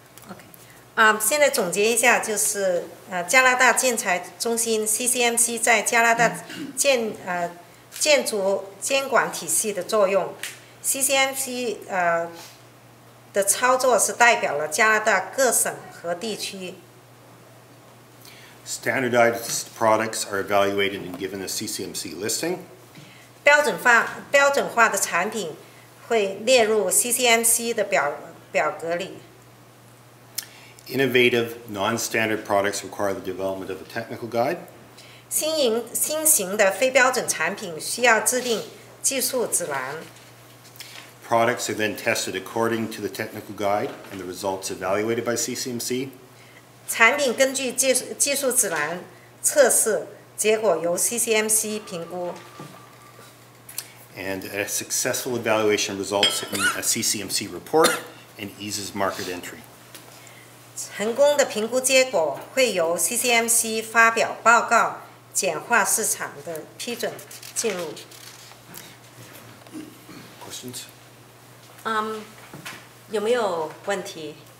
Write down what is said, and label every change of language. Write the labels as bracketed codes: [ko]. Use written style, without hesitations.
[en] Okay. [zh] 现在总结一下，就是加拿大建材中心 CCMC 在加拿大建筑监管体系的作用。 CCMC 的操作是代表了加拿大各省和地区。 [en] Standardized products are evaluated and given a CCMC listing. [zh] 标准化的产品会列入 CCMC 的表格里。 [en] Innovative, non-standard products require the development of a technical guide. [zh] 新型的非标准产品需要制定技术指南。 [en] Products are then tested according to the technical guide and the results evaluated by CCMC. [zh] 产品根据技术指南测试结果由 CCMC 评估 [en] And a successful evaluation results in a CCMC report and eases market entry [zh] 成功的评估结果会由 CCMC 发表报告简化市场的批准进入 [en] Questions? [zh] 有没有问题